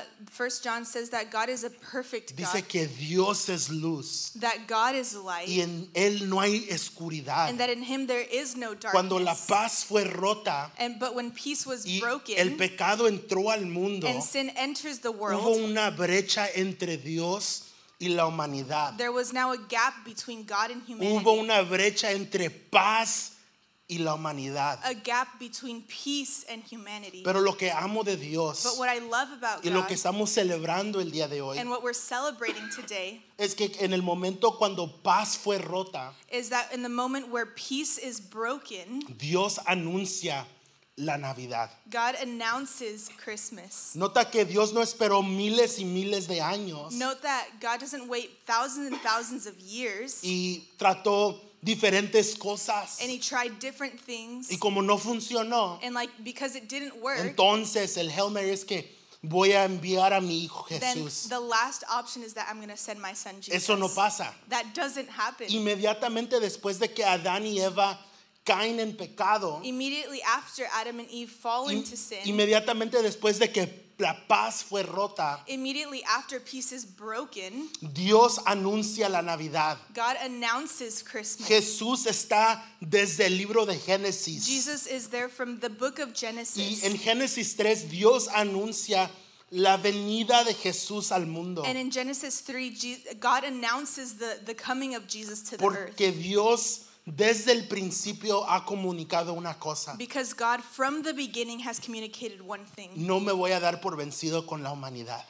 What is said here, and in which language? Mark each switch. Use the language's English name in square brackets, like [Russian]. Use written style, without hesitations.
[English] First John says that God is a perfect God. [Spanish] Dice que Dios es luz. [English] That God is light. [Spanish] Y en él no hay oscuridad. [English] And that in him there is no darkness. [Spanish] Cuando la paz fue rota. [English] But when peace was broken. [Spanish] Y el pecado entró al mundo. [English] And sin enters the world. [Spanish] Hubo una brecha entre Dios y la humanidad. [English] There was now a gap between God and humanity. [Spanish] Hubo una brecha entre paz y la humanidad. [English] A gap between peace and humanity. [Spanish] Pero lo que amo de Dios. [English] But what I love about [Spanish] y [English] God, [Spanish] lo que estamos celebrando el día de hoy. [English] And what we're celebrating today. [Spanish] Es que en el momento cuando paz fue rota. [English] Is that in the moment where peace is broken. [Spanish] Dios anuncia la Navidad. [English] God announces Christmas. [Spanish] Nota que Dios no esperó miles y miles de años. [English] Note that God doesn't wait thousands and thousands of years. [Spanish] Y trató diferentes cosas. [English] And he tried different things. [Spanish] Y como no funcionó. [English] And like, because it didn't work. [Spanish] Entonces el [English] Hail Mary [Spanish] es que voy a enviar a mi hijo Jesús. [English] Then the last option is that I'm going to send my son Jesus. [Spanish] Eso no pasa. [English] That doesn't happen. [Spanish] Inmediatamente después de que Adán y Eva caen en pecado. [English] Immediately after Adam and Eve fall into sin. [Spanish] Inmediatamente después de que la paz fue rota, [English] immediately after peace is broken, [Spanish] Dios anuncia la Navidad. [English] God announces Christmas. [Spanish] Jesús está desde el libro de Génesis. [English] Jesus is there from the book of Genesis. [Spanish] Y en Génesis 3, Dios anuncia la venida de Jesús al mundo. [English] And in Genesis 3, God announces the coming of Jesus to the earth. [Spanish] Porque Dios desde el principio ha comunicado una cosa. [English] Because God from the beginning has communicated one thing. [Spanish] No me voy a dar por vencido con la humanidad.